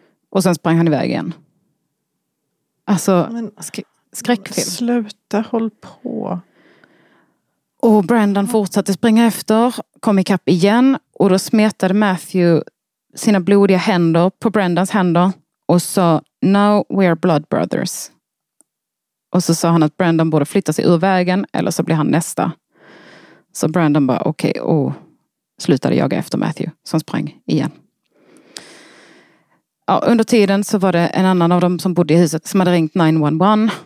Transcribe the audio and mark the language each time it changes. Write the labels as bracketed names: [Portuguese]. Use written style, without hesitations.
[Swedish] Och sen sprang han iväg igen. Alltså, men, skräckfilm. Sluta, håll på. Och Brandon fortsatte springa efter, kom ikapp igen. Och då smetade Matthew sina blodiga händer på Brandons händer. Och sa, [English] "Now we are blood brothers." [Swedish] Och så sa han att Brandon borde flytta sig ur vägen, eller så blir han nästa. Så Brandon bara, okej, och slutade jaga efter Matthew som sprang igen. Ja, under tiden så var det en annan av dem som bodde i huset som hade ringt 911.